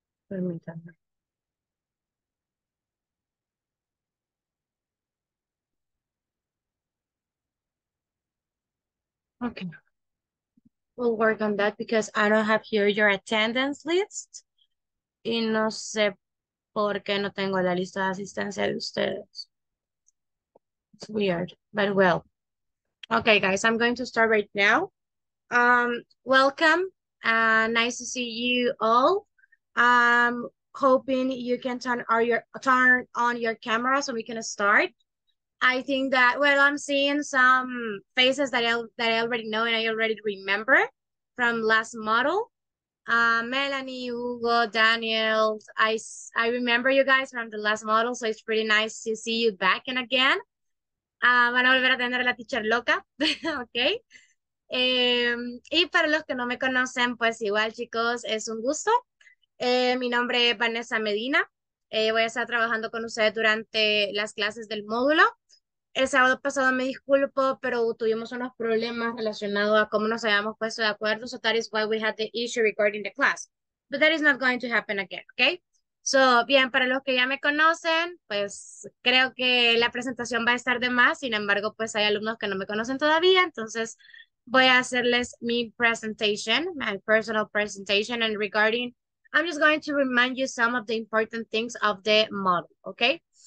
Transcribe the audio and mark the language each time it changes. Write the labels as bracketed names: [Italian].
[Spanish] Permítanme. [English] Okay. We'll work on that because I don't have here your attendance list. [Spanish] Y no sé por qué no tengo la lista de asistencia de ustedes. [English] It's weird, but well. Okay, guys, I'm going to start right now. Welcome. Nice to see you all. I'm hoping you can turn on your camera so we can start. I think that, well, I'm seeing some faces that I already know and I already remember from last model. Melanie, Hugo, Daniel, I remember you guys from the last model, so it's pretty nice to see you back and again. [Spanish] Van a volver a tener a la teacher loca, ¿ok? Y para los que no me conocen, pues igual, chicos, es un gusto. Mi nombre es Vanessa Medina. Voy a estar trabajando con ustedes durante las clases del módulo. El sábado pasado me disculpo, pero tuvimos unos problemas relacionados a cómo nos habíamos puesto de acuerdo. [English] So that is why we had the issue recording the class. But that is not going to happen again, ¿ok? [Spanish] So, bien, para los que ya me conocen, pues creo que la presentación va a estar de más. Sin embargo, pues hay alumnos que no me conocen todavía. Entonces, voy a hacerles mi [English] presentation, my personal presentation. And regarding, I'm just going to remind you some of the important things of the model, okay?